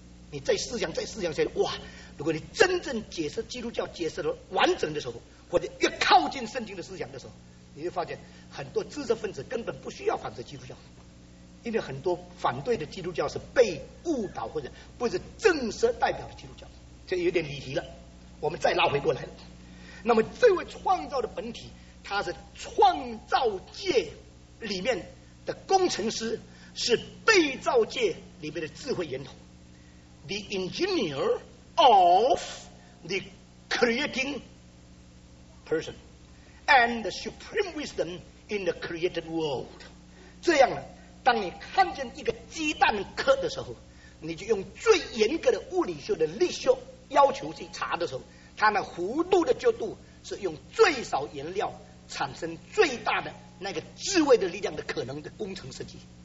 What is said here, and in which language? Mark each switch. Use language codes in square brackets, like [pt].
[zh] 你再思想再思想下去，哇，如果你真正解释基督教解释的完整的时候，或者越靠近圣经的思想的时候，你会发现很多知识分子根本不需要反对基督教，因为很多反对的基督教是被误导或者不是正式代表的基督教。这有点离题了，我们再拉回过来。那么这位创造的本体，他是创造界里面的工程师，是被造界里面的智慧源头。 [en] The engineer of the creating person and the supreme wisdom in the created world。 [zh] 这样呢，当你看见一个鸡蛋壳的时候，你就用最严格的物理学的力学要求去查的时候，它那弧度的角度是用最少颜料产生最大的那个智慧的力量的可能的工程设计。